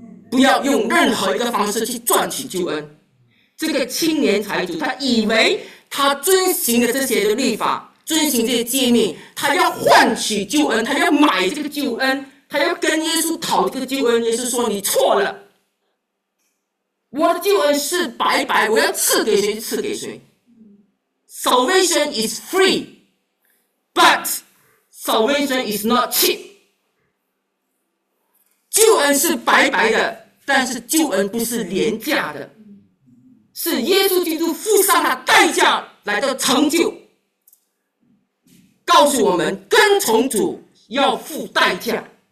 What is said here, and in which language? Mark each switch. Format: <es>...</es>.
<zh>不要用任何一个方式去赚取救恩。这个青年财主，他以为他遵行了这些的律法，遵行这些诫命，他要换取救恩，他要买这个救恩，他要跟耶稣讨这个救恩。耶稣说：“你错了，我的救恩是白白，我要赐给谁就赐给谁。”</zh> <en>Salvation is free, but salvation is not cheap.</en> <zh>救恩是白白的，但是救恩不是廉价的。是耶稣基督付上了代价来到成就，告诉我们跟从主要付代价。</zh>